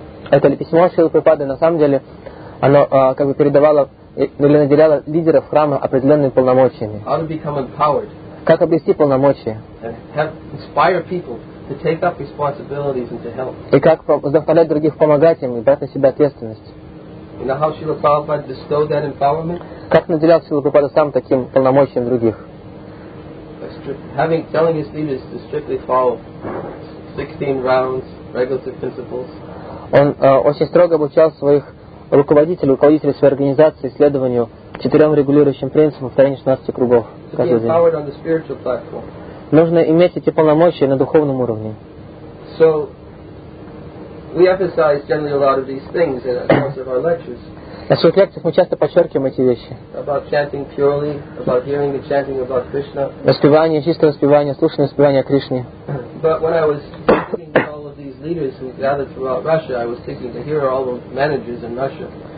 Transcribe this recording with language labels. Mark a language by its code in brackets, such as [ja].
[ru] Это ли письмо Шрилы Прабхупады на самом деле, оно как бы передавало или наделяло лидеров храма определенными полномочиями. [en] How to become empowered. [ru] Как обрести полномочия? [en] Inspire people to take up responsibilities and to help. [ru] И как заставлять других помогать им и брать на себя ответственность. [en] You know how Srila Prabhupada bestowed that empowerment? [ru] Как наделял Шрила Прабхупада сам таким полномочием других? [en] Having telling his leaders to strictly follow 16 rounds regulative principles. [ru] Он очень строго обучал своих руководителей своей организации следованию четырем регулирующим принципам в течение 16 кругов. [en] To be empowered on the spiritual platform. [ru] Нужно иметь эти полномочия на духовном уровне. [en] So, we emphasize generally a lot of these things in the course of our lectures. [ru] На своих лекциях мы часто подчеркиваем эти вещи. [en] About chanting purely, about hearing the chanting about Krishna. [ru] Воспевание, чистое воспевание, слушание воспевания о Кришне. [en] But when I was thinking of all of these leaders who gathered throughout Russia, I was thinking to hear all the managers in Russia.